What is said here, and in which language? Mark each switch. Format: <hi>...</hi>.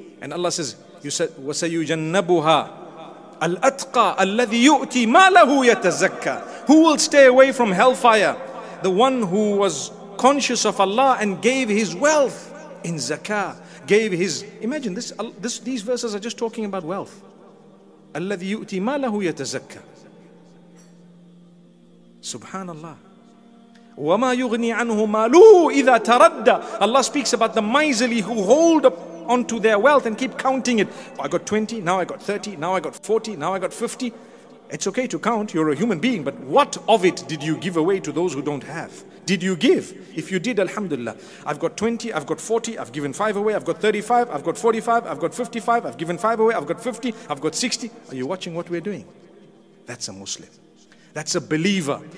<en>And Allah says,</en> <ar>وَسَيُجَنَّبُهَا الْأَتْقَى الَّذِي يُؤْتِي مَالَهُ يَتَزَكَّى.</ar> <en>Who will stay away from hellfire? The one who was conscious of Allah and gave his wealth in zakah. Gave his, imagine this, these verses are just talking about wealth.</en> <ar>الَّذِي يُؤْتِي مَالَهُ يَتَزَكَّى. Subhanallah. وَمَا يُغْنِي عَنْهُ مَالُهُ إِذَا تَرَدَّى.</ar> <en>Allah speaks about the miserly who hold up onto their wealth and keep counting it. I got 20, now I got 30, now I got 40, now I got 50. It's okay to count, you're a human being, but what of it did you give away to those who don't have? Did you give? If you did, alhamdulillah. I've got 20, I've got 40, I've given 5 away, I've got 35, I've got 45, I've got 55, I've given 5 away, I've got 50, I've got 60. Are you watching what we're doing? That's a Muslim. That's a believer.</en>